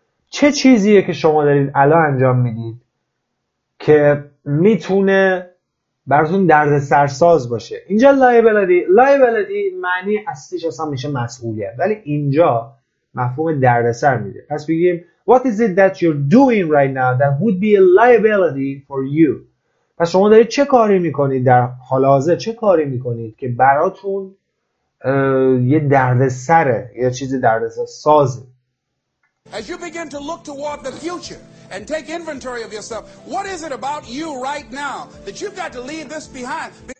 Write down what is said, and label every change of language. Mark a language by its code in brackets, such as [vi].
[fa] چه چیزیه که شما دارید الان انجام میدید که میتونه براتون دردسر ساز باشه؟ اینجا liability معنی اصلیش اصلا میشه مسئولیت، ولی اینجا مفهوم دردسر میده. پس بگیم [en] What is it that you're doing right now that would be a liability for you? [fa] پس شما دارید چه کاری میکنید در حال حاضر، چه کاری میکنید که براتون یه دردسره، یه چیز دردسر سازه؟ [en] As you begin to look toward the future and take inventory of yourself, what is it about you right now that you've got to leave this behind?